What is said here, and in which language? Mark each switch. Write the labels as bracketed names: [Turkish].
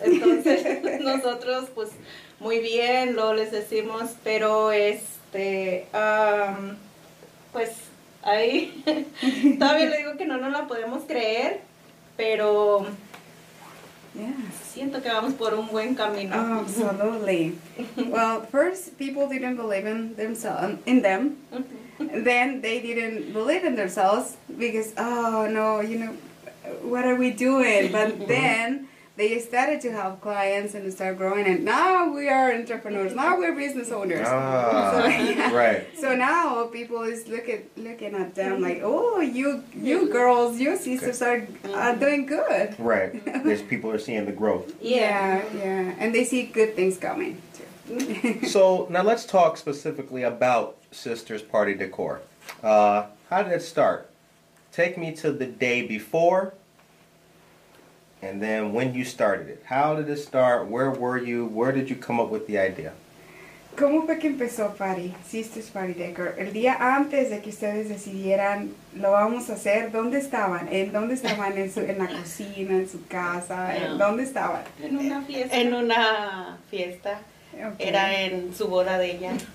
[Spanish] Entonces, nosotros, pues, muy bien, lo les decimos, pero, pues, ahí, todavía le digo que no nos la podemos creer, pero siento que vamos por un buen camino. [English] Oh, absolutely. Well, first, people didn't believe in themselves, in them. Mm-hmm. Then they didn't believe in themselves because, oh, no, you know, what are we doing? But then they started to help clients and start growing. And now we are entrepreneurs. Now we're business owners. So, yeah. Right. So now people is looking at them like, oh, you girls, you sisters are doing good. Right. Because people are seeing the growth. Yeah. And they see good things coming. So now let's talk specifically about Sisters Party Decor. How did it start? Take me to the day before, and then when you started it. How did it start? Where were you? Where did you come up with the idea? [Spanish] ¿Cómo fue que empezó Party, Sisters Party Decor? El día antes de que ustedes decidieran, lo vamos a hacer, ¿dónde estaban? ¿En dónde estaban? ¿En la cocina, en su casa? ¿En dónde estaban? En una fiesta. En una fiesta. Okay. Era en su boda de ella.